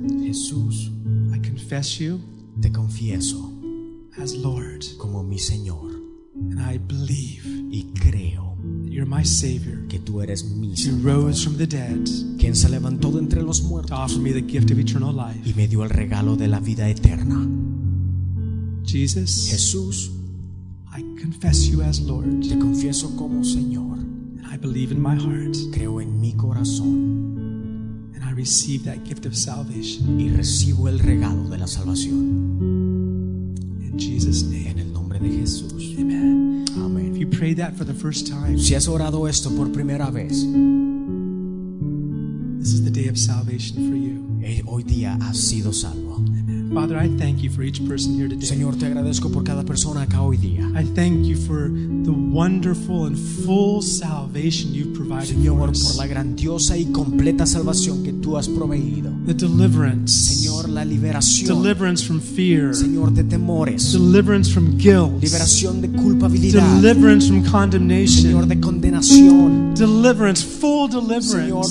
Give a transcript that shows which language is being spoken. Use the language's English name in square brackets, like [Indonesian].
[Spanish] Jesús. [English] I confess you. [Spanish] Te confieso. [English] As Lord. [Spanish] Como mi Señor. [English] And I believe. [Spanish] Y creo. [English] You're my Savior. [Spanish] Que tú eres mi Salvador. [English] Who rose from the dead. [Spanish] Quien se levantó de entre los muertos. [English] To offer me the gift of eternal life. [Spanish] Y me dio el regalo de la vida eterna. [English] Jesus. [Spanish] Jesús. [English] I confess you as Lord. [Spanish] Te confieso como Señor. [English] And I believe in my heart. [Spanish] Creo en mi corazón. [English] And I receive that gift of salvation. [Spanish] Y recibo el regalo de la salvación. [English] In Jesus' name. [Spanish] En el nombre de Jesús. [English] Amen. [Spanish] Amen. [English] If you pray that for the first time, [Spanish] si has orado esto por primera vez, [English] this is the day of salvation for you. [Spanish] Hoy día has sido salvo. [English] Amen. Father, I thank you for each person here today. [Spanish] Señor, te agradezco por cada persona acá hoy día. [English] I thank you for the wonderful and full salvation you've provided. [Spanish] Señor, [English] for us. [Spanish] Por la grandiosa y completa salvación que tú has proveído. [English] The deliverance. [Spanish] Señor, la liberación. [English] Deliverance from fear. [Spanish] Señor, de temores. [English] Deliverance from guilt. [Spanish] Liberación de culpabilidad. [English] Deliverance from condemnation. [Spanish] Señor, de condenación. [English] Deliverance, full deliverance.